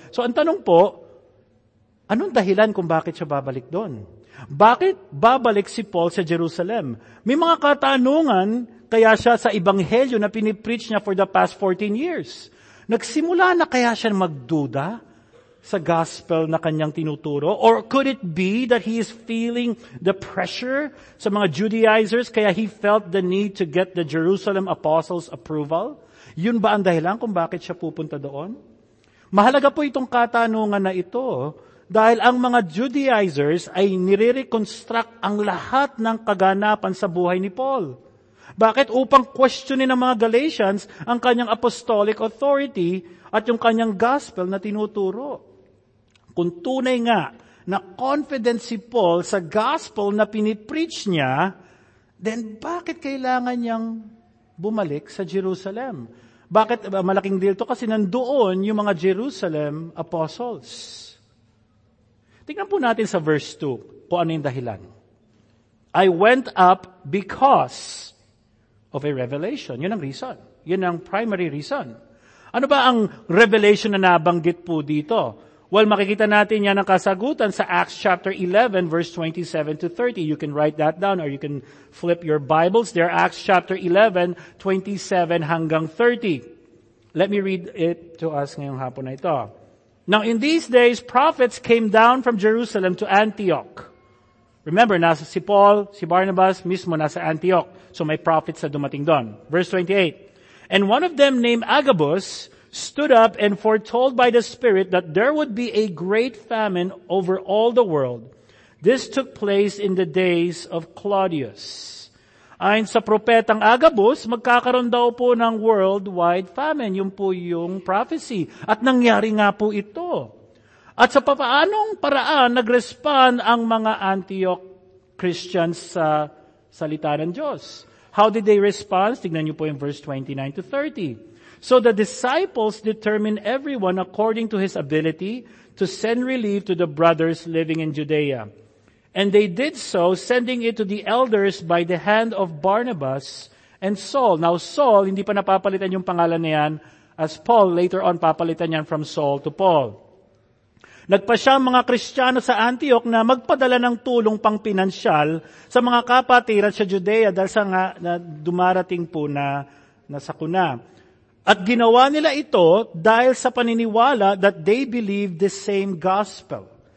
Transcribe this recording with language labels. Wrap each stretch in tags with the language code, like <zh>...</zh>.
<tl>So ang tanong po, anong dahilan kung bakit siya babalik doon? Bakit babalik si Paul sa Jerusalem? May mga katanungan kaya siya sa ebanghelyo na pinipreach niya</tl> <en>for the past 14 years.</en> <tl>Nagsimula na kaya siya magduda sa gospel na kanyang tinuturo?</tl> <en>Or could it be that he is feeling the pressure</en> <tl>sa mga Judaizers kaya</tl> <en>he felt the need to get the Jerusalem apostles' approval?</en> <tl>Yun ba ang dahilan kung bakit siya pupunta doon? Mahalaga po itong katanungan na ito dahil ang mga Judaizers ay nire-reconstruct ang lahat ng kaganapan sa buhay ni Paul. Bakit? Upang questionin ng mga Galatians ang kanyang apostolic authority at yung kanyang gospel na tinuturo. Kung tunay nga na confident si Paul sa gospel na pinipreach niya, then bakit kailangan niyang bumalik sa Jerusalem? Bakit malaking deal to? Kasi nandoon yung mga Jerusalem apostles. Tingnan po natin sa verse 2 kung ano yung dahilan.</tl> <en>I went up because of a revelation.</en> <tl>Yun ang reason. Yun ang primary reason. Ano ba ang revelation na nabanggit po dito? Well, makikita natin yan ang kasagutan sa Acts chapter 11, verse 27 to 30.</tl> <en>You can write that down or you can flip your Bibles there. Acts chapter 11, 27 hanggang 30. Let me read it to us</en> <tl>ngayong hapon na ito.</tl> <en>Now, in these days, prophets came down from Jerusalem to Antioch.</en> <tl>Remember, nasa si Paul, si Barnabas, mismo nasa Antioch. So may prophets na dumating doon.</tl> <en>Verse 28. And one of them named Agabus stood up and foretold by the Spirit that there would be a great famine over all the world. This took place in the days of Claudius.</en> <tl>Ayon sa propetang Agabus, magkakaroon daw po ng worldwide famine. Yun po yung prophecy. At nangyari nga po ito. At sa papaanong paraan, nag-respond ang mga Antioch Christians sa salita ng Diyos.</tl> <en>How did they respond?</en> <tl>Tignan niyo po yung</tl> <en>verse 29 to 30. So the disciples determined everyone according to his ability to send relief to the brothers living in Judea. And they did so, sending it to the elders by the hand of Barnabas and Saul.</en> <tl>Now Saul, hindi pa napapalitan yung pangalan na yan, as Paul,</tl> <en>later on</en> <tl>papalitan yan from Saul to Paul. Nagpa siya ang mga Kristiyano sa Antioch na magpadala ng tulong pang pinansyal sa mga kapatiran sa Judea dahil sa nga na dumarating po na nasakuna. At ginawa nila ito dahil sa paniniwala</tl> <en>that they believe the same gospel.</en>